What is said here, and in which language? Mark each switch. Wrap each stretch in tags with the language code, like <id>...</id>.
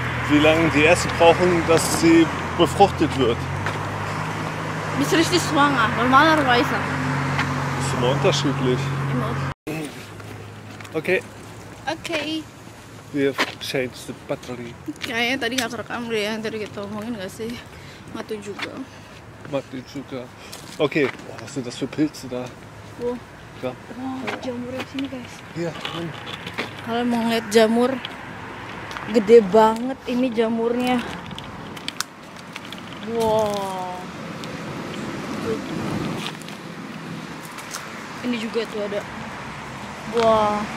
<de>Wie lange die erste brauchen, dass sie befruchtet wird? Bis richtig schwanger, normalerweise. Das ist immer unterschiedlich. Okay. Okay.</de> <en>We have changed the battery.</en> <id>Kayaknya tadi gak kerekam deh ya, tadi kita omongin gak sih? Mati juga. Mati juga.</id> <de>Okay, wow, was sind das für Pilze da? Wo? Da.</de> <id>Wow, jamur di sini guys. Iya. Kalian mau ngeliat jamur, gede banget ini jamurnya. Wow. Ini juga tuh ada. Wah. Wow.</id>